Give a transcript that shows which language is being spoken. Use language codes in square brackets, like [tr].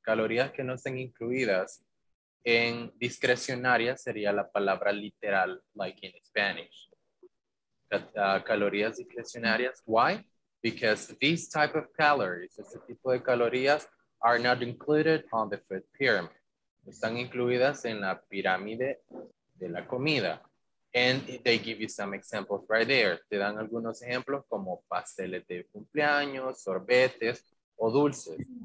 [es] Calorías que no están incluidas en discrecionaria sería la palabra literal, [en] like in Spanish. [es] Calorías discrecionarias. [en] Why? Because these type of calories, [es] este tipo de calorías, [en] are not included on the food pyramid. [es] Están incluidas en la pirámide de la comida. [en] And they give you some examples right there. [es] Te dan algunos ejemplos como pasteles de cumpleaños, sorbetes o dulces.